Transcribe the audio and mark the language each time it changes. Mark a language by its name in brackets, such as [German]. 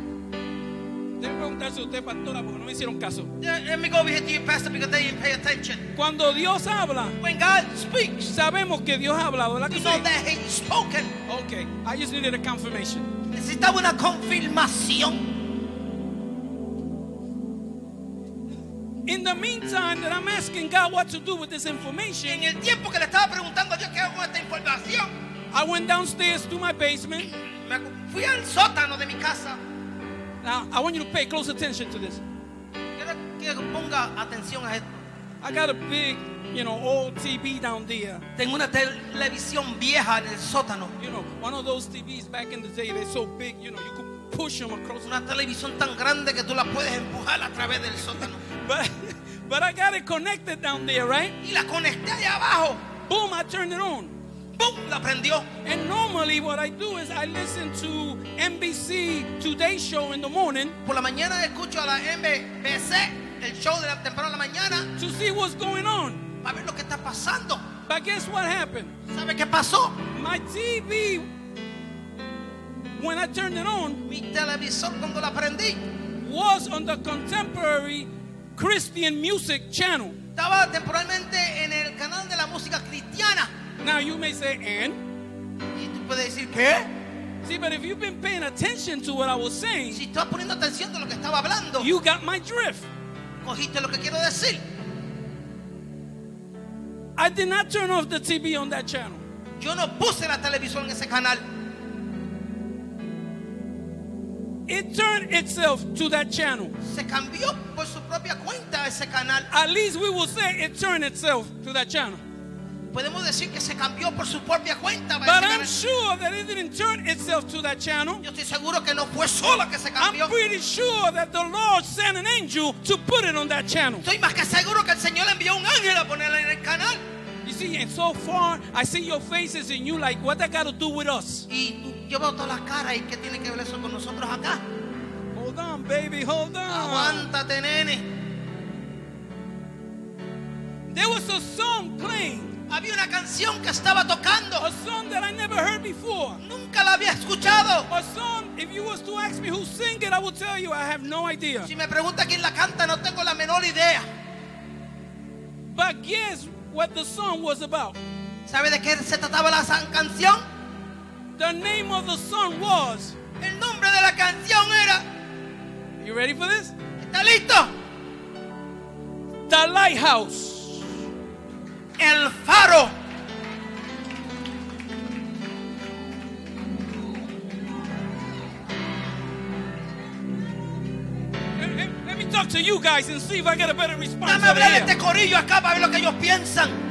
[Spanish] Debe preguntarse usted, pastora, porque no me hicieron caso. [English] Let me go over to you, pastor, because they didn't pay attention. [Spanish] Cuando Dios habla, [English] when God speaks, [Spanish] sabemos que Dios ha hablado. [English] We know that He spoken. Okay, I just needed a confirmation. [Spanish] Necesitaba una confirmación. [English] In the meantime, that I'm asking God what to do with this information. [Spanish] En el tiempo que le estaba preguntando a Dios qué hago con esta información, [English] I went downstairs to my basement. [Spanish] Me fui al sótano de mi casa. [English] Now, I want you to pay close attention to this. I got a big, you know, old TV down there. [Spanish] Tengo una televisión vieja en el sótano. [English] You know, one of those TVs back in the day, they're so big, you know, you could push them across. [Spanish] Una televisión tan grande que tú la puedes empujar a través del sótano. [English] But I got it connected down there, right? [Spanish] Y la conecté allá abajo. [English] Boom, I turned it on. [Spanish] Boom, la prendió. [English] And normally what I do is I listen to NBC Today Show in the morning. [Spanish] Por la mañana escucho a la NBC, el show de la temprano de la mañana. [English] To see what's going on. [Spanish] Para ver lo que está pasando. [English] But guess what happened? [Spanish] ¿Sabe qué pasó? [English] My TV, when I turned it on, [Spanish] mi televisor cuando la prendí, [English] was on the contemporary Christian music channel. [Spanish] Estaba temporalmente en el canal de la música cristiana. [English] Now you may say, and? [Spanish] ¿Y tú puedes decir qué? [English] See, but if you've been paying attention to what I was saying, [Spanish] si estás poniendo atención a lo que estaba hablando, [English] you got my drift. [Spanish] Cogiste lo que quiero decir. [English] I did not turn off the TV on that channel. [Spanish] Yo no puse la televisión en ese canal. [English] It turned itself to that channel. [Spanish] Se cambió por su propia cuenta ese canal. [English] At least we will say it turned itself to that channel. [Spanish] Podemos decir que se cambió por su propia cuenta. [English] But I'm sure that it didn't turn itself to that channel. [Spanish] Yo estoy seguro que no fue solo que se cambió. [English] I'm pretty sure that the Lord sent an angel to put it on that channel. [Spanish] Estoy más que seguro que el Señor envió un ángel a ponerlo en el canal. [English] You see, and so far I see your faces and you like, what that got to do with us? [Spanish] Y yo veo todas las caras y qué tiene que ver eso con nosotros acá. [English] Hold on, baby, hold on. [Spanish] Aguántate, nene. [English] There was a song playing. [Spanish] Había una canción que estaba tocando. [English] A song that I never heard before. [Spanish] Nunca la había escuchado. [English] A song, if you was to ask me who sing it, I would tell you I have no idea. [Spanish] Si me pregunta quién la canta, no tengo la menor idea. [English] But guess what the song was about. [Spanish] ¿Sabe de qué se trataba la canción? [English] The name of the song was. [Spanish] El nombre de la canción era. [English] You ready for this? [Spanish] ¿Está listo? [English] The Lighthouse. [Spanish] El Faro. [English] Talk to you guys and see if I get a better response. [Spanish] Dame hablar este corillo acá para ver lo que ellos piensan.